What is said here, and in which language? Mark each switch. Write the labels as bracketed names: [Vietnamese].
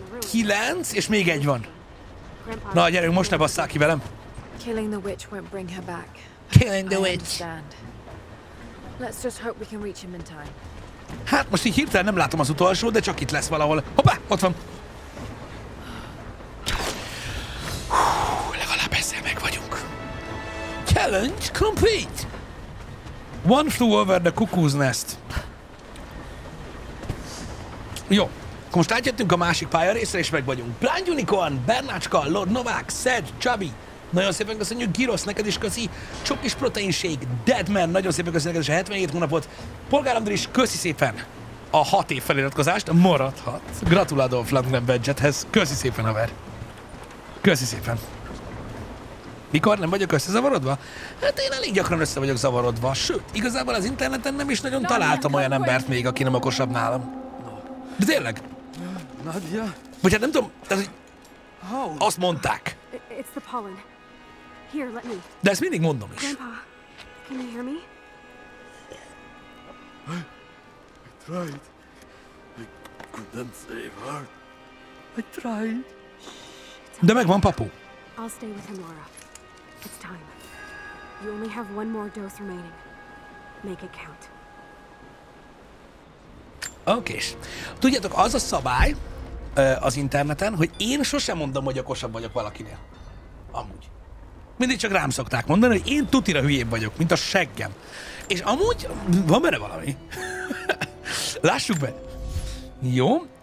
[Hungarian] Kilenc, és még egy van. Na, gyerünk, most ne basszál ki velem. [English] Killing the witch won't bring her back. Killing the witch. Let's just hope we can reach him in time. [Hungarian] Hát, most így hirtelen nem látom az utolsó, de csak itt lesz valahol. Hoppá, ott van! Hú, legalább ezzel meg vagyunk. [English] Challenge complete! One flew over the cuckoo's nest. [Hungarian] Jó, most átjöttünk a másik pályarészre, és meg vagyunk. Blind Unicorn, Bernácska, Lord Novák, Szed, Csabi. Nagyon szépen köszönjük, Girosz, neked is köszi, Csokis Proteinség, Deadman, nagyon szépen köszönjük neked is a 77 hónapot, Polgár Andrés is köszi szépen a 6 év feliratkozást, maradhat. Gratulálom Flanglen Badgethez, köszi szépen, haver. Köszi szépen. Mikor nem vagyok összezavarodva? Hát én elég gyakran össze vagyok zavarodva, sőt, igazából az interneten nem is nagyon találtam olyan embert még, aki nem okosabb nálam. De tényleg? Nadia? Vagy hát nem tudom, azt mondták. [English] It's the pollen. Here, let me. [Hungarian] De ezt mindig mondom is. [English] Grandpa, can you hear me? I tried. I couldn't save her. I tried. [Hungarian] Shh, de megvan, papu. [English] I'll stay with him, Laura. It's time. You only have one more dose remaining. Make it count. [Hungarian] Okés. Tudjátok, az a szabály az interneten, hogy én sosem mondom, hogy okosabb vagyok valakinél. Amúgy. Mindig csak rám szokták mondani, hogy én tutira hülyébb vagyok, mint a seggem. És amúgy van benne valami. Lássuk be. Jó.